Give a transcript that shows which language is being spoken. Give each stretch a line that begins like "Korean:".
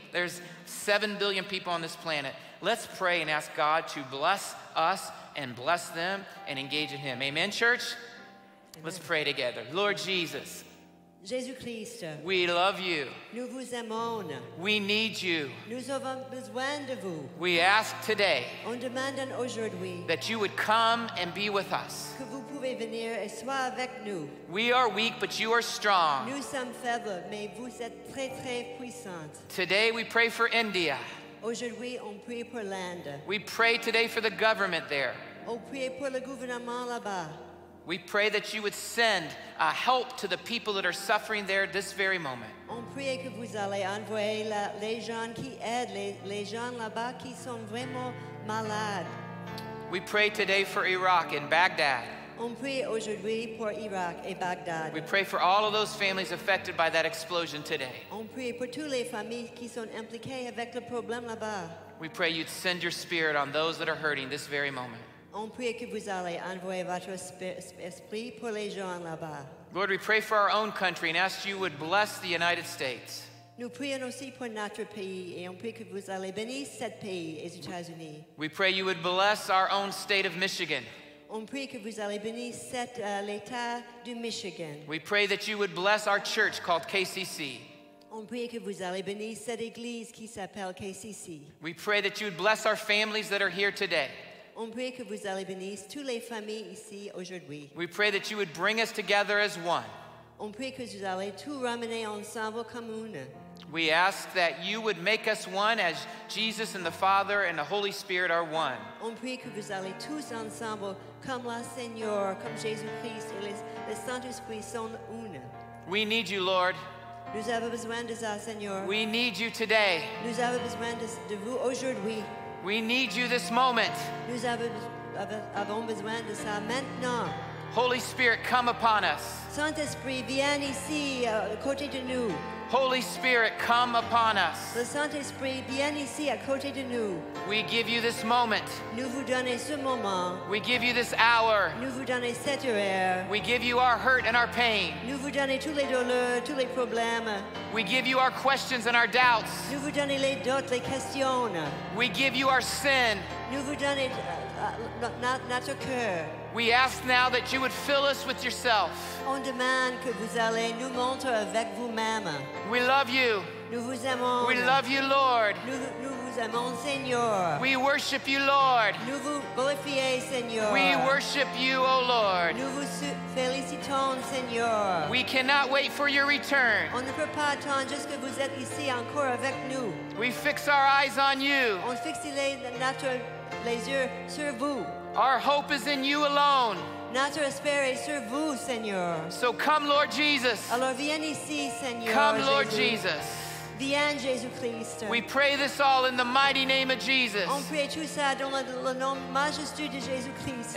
English: There's 7 billion people on this planet. Let's pray and ask God to bless us and bless them and engage in Him. Amen, church? Amen. Let's pray together. Lord Jesus.
French: Jésus Christ,
English: we love you.
French: Nous vous aimons.
English: We need you.
French: Nous avons besoin de vous.
English: We ask today,
French: on demande aujourd'hui,
English: that you would come and be with us.
French: Que vous pouvez venir et soyez avec nous.
English: We are weak, but you are strong.
French: Nous sommes faibles, mais vous êtes très, très puissantes.
English: Today we pray for India.
French: Aujourd'hui on prie pour l'Inde.
English: We pray today for the government there.
French: On prie pour le gouvernement là-bas.
English: We pray that you would send help to the people that are suffering there this very moment.
French: On prie que vous allez envoyer les gens qui aident, les gens là-bas qui sont vraiment malades.
English: We pray today for Iraq and Baghdad.
French: On prie aujourd'hui pour Iraq et Baghdad.
English: We pray for all of those families affected by that explosion today.
French: On prie pour toutes les familles qui sont impliquées avec le problème là-bas.
English: We pray you'd send your spirit on those that are hurting this very moment.
French: On prie que vous allez envoyer votre esprit pour les gens là-bas.
English: Lord, we pray for our own country and ask you would bless the United States.
French: Nous prions aussi pour notre pays et on prie que vous allez bénir cet pays, les États-Unis.
English: We pray you would bless our own state of Michigan.
French: On prie que vous allez bénir cet l'État du Michigan.
English: We pray that you would bless our church called KCC.
French: On prie que vous allez bénir cette église qui s'appelle KCC.
English: We pray that you would bless our families that are here today.
French: On prie que vous allez bénir toutes les familles ici aujourd'hui.
English: We pray that you would bring us together as one.
French: On prie que vous allez tout ramener ensemble comme une.
English: We ask that you would make us one as Jesus and the Father and the Holy Spirit are one.
French: On prie que vous allez tous ensemble comme le Seigneur, comme Jésus-Christ et le Saint-Esprit sont une.
English: We need you, Lord.
French: Nous avons besoin de ça, Seigneur.
English: We need you today.
French: Nous avons besoin de vous aujourd'hui.
English: We need you this moment.
French: Nous avons besoin de ça maintenant.
English: Holy Spirit, come upon us.
French: Saint-Esprit, viens ici, à côté de nous.
English: Holy Spirit, come upon us.
French: Le Saint-Esprit, viens ici, à côté de nous.
English: We give you this moment.
French: Nous vous donnons ce moment.
English: We give you this hour.
French: Nous vous donnons cette heure.
English: We give you our hurt and our pain.
French: Nous vous donnons tous les douleurs, tous les problèmes.
English: We give you our questions and our doubts.
French: Nous vous donnons les doutes, les questions.
English: We give you our sin.
French: Nous vous donnons notre cœur.
English: We ask now that you would fill us with yourself.
French: On demande que vous allez nous montrer avec vous-même.
English: We love you.
French: Nous vous aimons.
English: We love you, Lord.
French: Nous vous aimons, Seigneur.
English: We worship you, Lord.
French: Nous vous glorifions, Seigneur.
English: We worship you, O Lord.
French: Nous vous félicitons, Seigneur.
English: We cannot wait for your return.
French: On ne peut pas attendre juste que vous êtes ici encore avec nous.
English: We fix our eyes on you.
French: On fixe les yeux sur vous.
English: Our hope is in you alone.
French: Notre espoir est sur vous, Seigneur.
English: So come, Lord Jesus.
French: Alors viens ici, Seigneur.
English: Come, Lord Jesus.
French: Viens, Jésus Christ.
English: We pray this all in the mighty name of Jesus.
French: On prie tout ça dans le nom majestueux de Jésus Christ.